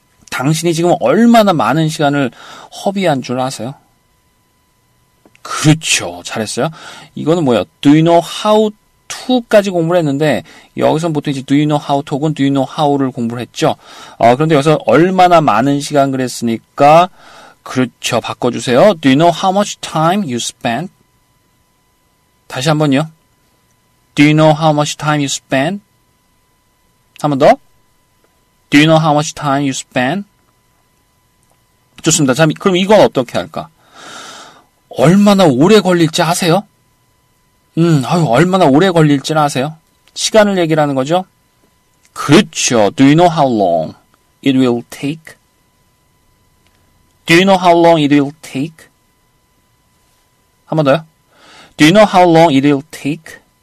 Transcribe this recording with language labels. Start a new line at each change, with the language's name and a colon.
Korean: 당신이 지금 얼마나 많은 시간을 허비한 줄 아세요? 그렇죠. 잘했어요. 이거는 뭐예요?
English: Do you know how to
Korean: 까지 공부를 했는데 여기서 보통 이제
English: Do you know how
Korean: to 혹은 Do you know how를 공부를 했죠. 그런데 여기서 얼마나 많은 시간 그랬으니까 그렇죠. 바꿔주세요.
English: Do you know how much time you spent?
Korean: 다시 한 번요.
English: Do you know how much time you spent?
Korean: 한 번 더.
English: Do you know how much time you spent?
Korean: 좋습니다. 참, 그럼 이건 어떻게 할까? 얼마나 오래 걸릴지 아세요? 얼마나 오래 걸릴지 아세요? 시간을 얘기하는 거죠? 그렇죠.
English: Do you know how long it will take? Do you know how long it will take?
Korean: 한 번 더요.
English: Do you know how long it will take?